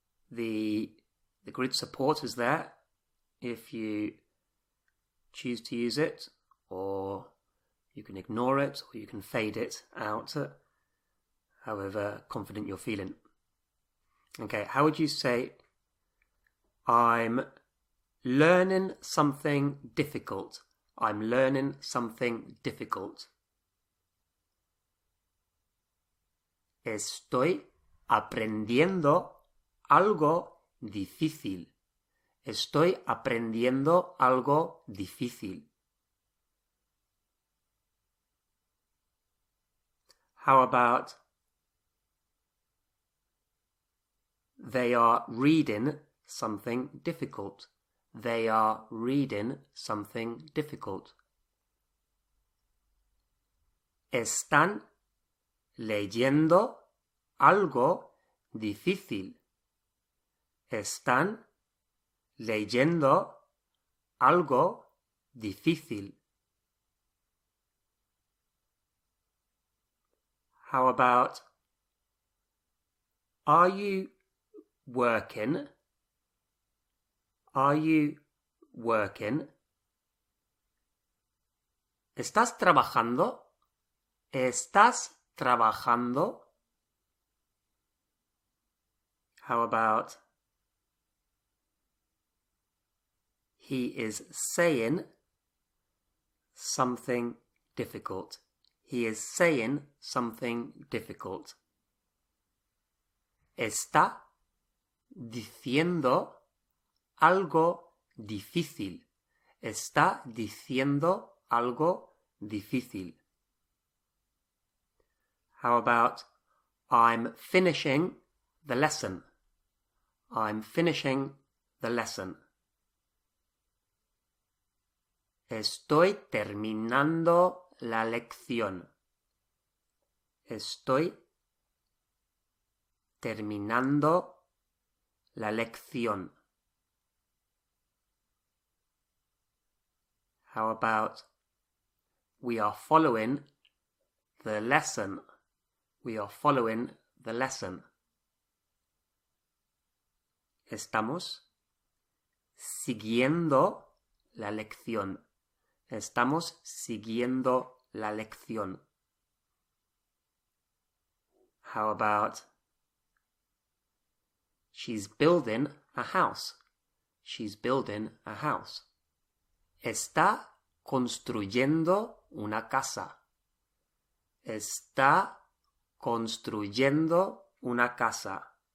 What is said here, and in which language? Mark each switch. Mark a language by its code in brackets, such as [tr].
[en] The grid support is there if you choose to use it, or you can ignore it, or you can fade it out, however confident you're feeling. Okay, how would you say, I'm learning something difficult? I'm learning something difficult. [es] Estoy aprendiendo algo difícil. Estoy aprendiendo algo difícil. [en] How about they are reading something difficult? They are reading something difficult. [es] Están leyendo algo difícil. Están leyendo algo difícil. [en] How about, are you working? Are you working? [es] ¿Estás trabajando? ¿Estás trabajando? [en] How about, he is saying something difficult. He is saying something difficult. [es] Está diciendo algo difícil. Está diciendo algo difícil. [en] How about, I'm finishing the lesson. I'm finishing the lesson. [es] Estoy terminando la lección. Estoy terminando la lección. [en] How about, We are following the lesson. We are following the lesson. [es] Estamos siguiendo la lección. Estamos siguiendo la lección. [en] How about she's building a house? She's building a house. [es] Está construyendo una casa. Está construyendo una casa.